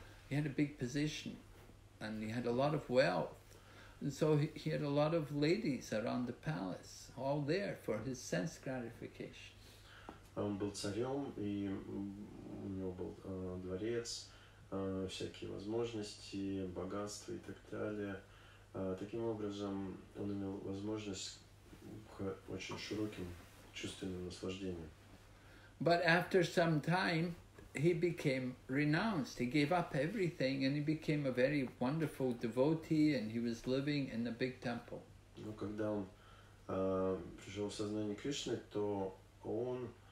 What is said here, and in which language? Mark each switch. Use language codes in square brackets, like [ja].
[en] He had a big position and he had a lot of wealth. And so he had a lot of ladies around the palace, all there for his sense gratification. [ru] Он был царем, и у него был дворец, всякие возможности, богатство и так далее. Таким образом, он имел возможность к очень широким чувственным наслаждениям. [en] But after some time, he became renounced. He gave up everything, and he became a very wonderful devotee, and he was living in a big temple. [ru] Но когда он пришел в сознание Кришны, то он...